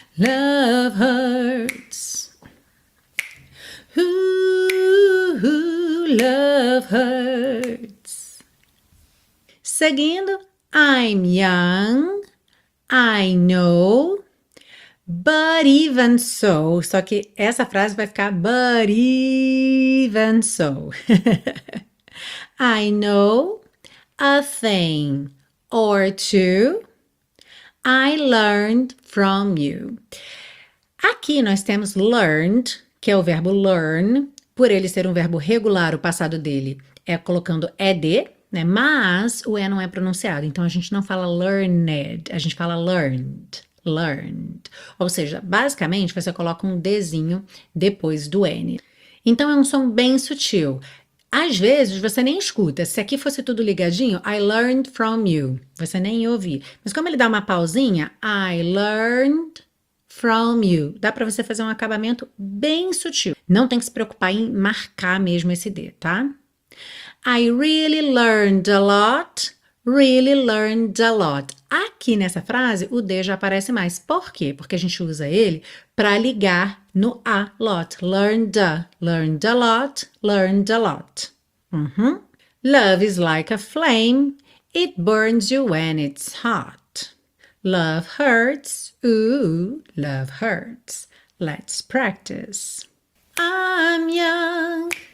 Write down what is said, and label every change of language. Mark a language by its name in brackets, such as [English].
[English] Love hurts. Ooh, love hurts. Seguindo, I'm young, I know, but even so. [Portuguese] Só que essa frase vai ficar [English] but even so. I know a thing or two I learned from you. [Portuguese] Aqui nós temos learned, que é o verbo learn, por ele ser um verbo regular, o passado dele é colocando ed. Né? Mas o E não é pronunciado, então a gente não fala learned, a gente fala learned, learned. Ou seja, basicamente você coloca um Dzinho depois do N. Então é um som bem sutil. Às vezes você nem escuta, se aqui fosse tudo ligadinho, [English] I learned from you, [Portuguese] você nem ouvi. Mas como ele dá uma pausinha, [English] I learned from you, [Portuguese] dá para você fazer um acabamento bem sutil. Não tem que se preocupar em marcar mesmo esse D, tá? [English] I really learned a lot, really learned a lot. [Portuguese] Aqui nessa frase, o D já aparece mais. Por quê? Porque a gente usa ele para ligar no a lot. [English] Learned a lot, learned a lot. Uhum. Love is like a flame, it burns you when it's hot. Love hurts, ooh, love hurts. Let's practice. I'm young.